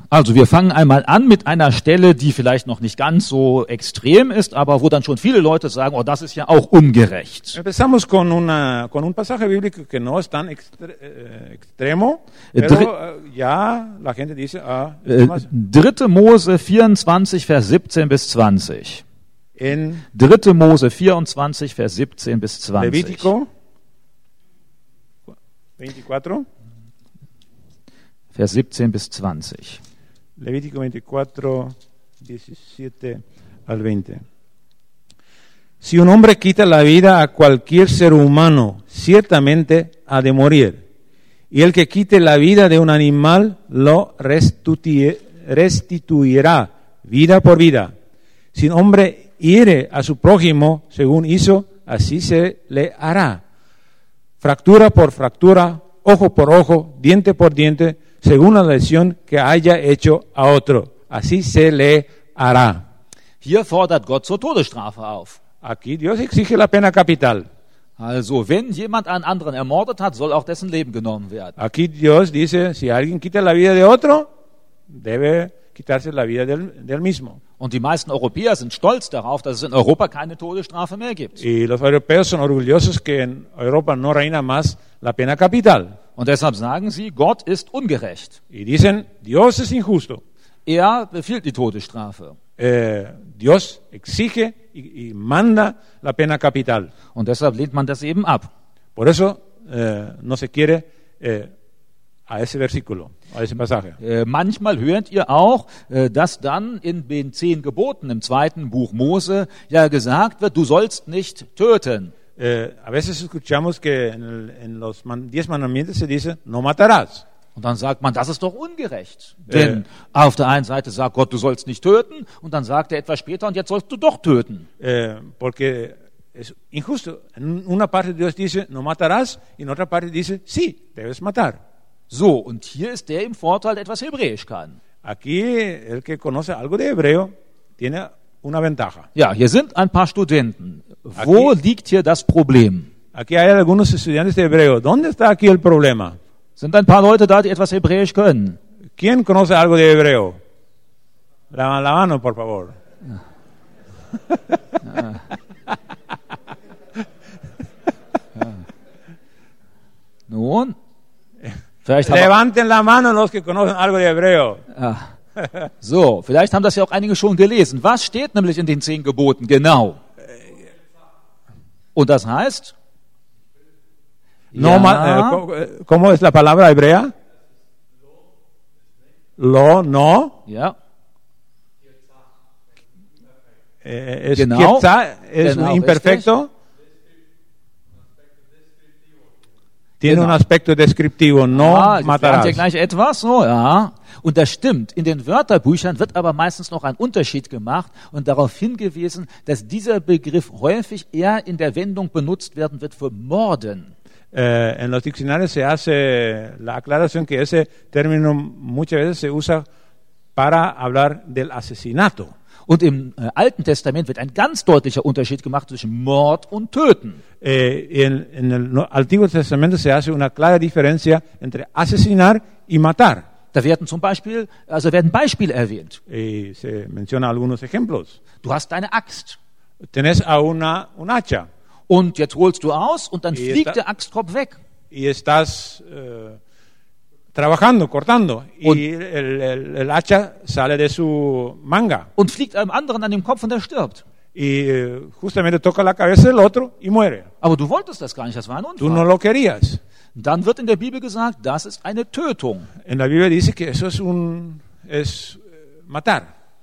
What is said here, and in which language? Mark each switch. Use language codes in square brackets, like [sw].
[de] Also, wir fangen einmal an mit einer Stelle, die vielleicht noch nicht ganz so extrem ist, aber wo dann schon viele Leute sagen, oh, das ist ja auch ungerecht. [es] Empezamos con una con un pasaje bíblico que no es tan extremo, pero ya la gente dice, ah, [de] Dritte Mose 24 Vers 17 bis 20. In Dritte Mose 24 Vers 17 bis 20. [es] Levítico 24, [de] Vers 17 bis 20. [es] Levítico 24, 17 al 20. Si un hombre quita la vida a cualquier ser humano, ciertamente ha de morir. Y el que quite la vida de un animal, lo restituirá vida por vida. Si un hombre hiere a su prójimo, según hizo, así se le hará. Fractura por fractura, ojo por ojo, diente por diente, según la lesión que haya hecho a otro. Así se le hará. [de] Hier fordert Gott zur Todesstrafe auf. [es] Aquí Dios exige la pena capital. [de] Also, wenn jemand einen anderen ermordet hat, soll auch dessen Leben genommen werden. [es] Aquí Dios dice, si alguien quita la vida de otro, debe quitarse la vida del mismo. [de] Und die meisten Europäer sind stolz darauf, dass es in Europa keine Todesstrafe mehr gibt. [es] Y los europeos son orgullosos que en Europa no reina más la pena capital. [de] Und deshalb sagen sie, Gott ist ungerecht. [es] Y dicen, Dios es injusto. [de] Er befiehlt die Todesstrafe. [es] Dios exige y manda la pena capital. [de] Und deshalb lehnt man das eben ab. [es] Por eso no se quiere a ese versículo. [de] Manchmal hört ihr auch, dass dann in den zehn Geboten im zweiten Buch Mose ja gesagt wird, du sollst nicht töten. [es] A veces escuchamos que en los diez mandamientos se dice, no matarás. [de] Und dann sagt man, das ist doch ungerecht. Denn auf der einen Seite sagt Gott, du sollst nicht töten, und dann sagt er etwas später, und jetzt sollst du doch töten. [es] Porque es injusto. En una parte Dios dice, no matarás, y en otra parte dice, sí, debes matar. [de] So, und hier ist der im Vorteil, der etwas Hebräisch kann. [es] Aquí, el que conoce algo de hebreo, tiene una ventaja. [de] Ja, hier sind ein paar Studenten. Wo aquí, liegt hier das Problem? [es] Aquí hay algunos estudiantes de hebreo. ¿Dónde está aquí el problema? [de] Sind ein paar Leute da, die etwas Hebräisch können? [es] ¿Quién conoce algo de hebreo? La mano, por favor. [de] Ja. Nun? [es] Levanten la mano los que conocen algo de hebreo. [de] So, vielleicht haben das ja auch einige schon gelesen. Was steht nämlich in den zehn Geboten genau? Und das heißt? No, ja. [es] ¿Cómo es la palabra hebrea? Lo, no. [de] Ja. Es genau. Kietza, es genau, imperfecto. Richtig. [es] Tiene genau. Un aspecto descriptivo, no matarás. [de] Ah, ja, gleich etwas, so, ja. Und das stimmt. In den Wörterbüchern wird aber meistens noch ein Unterschied gemacht und darauf hingewiesen, dass dieser Begriff häufig eher in der Wendung benutzt werden wird für Morden. [es] En los diccionarios se hace la aclaración que ese término muchas veces se usa para hablar del asesinato. [de] Und im Alten Testament wird ein ganz deutlicher Unterschied gemacht zwischen Mord und Töten. [es] En el Antiguo Testamento se hace una clara diferencia entre asesinar y matar. [de] Da werden zum Beispiel, also werden Beispiele erwähnt. [es] Se menciona algunos ejemplos. [de] Du hast deine Axt. [es] Tenés a un hacha. [de] Und jetzt holst du aus und dann fliegt der Axtkopf weg. [es] Y estás trabajando, cortando, und, y el hacha sale de su manga. [de] Und fliegt einem anderen an dem Kopf und er stirbt. [es] Y justamente toca la cabeza del otro y muere. [de] Aber du wolltest das gar nicht, das war ein Unfall. [es] Tú no lo querías. [de] Dann wird in der Bibel gesagt, das ist eine Tötung. [es] En la Biblia dice que eso es matar.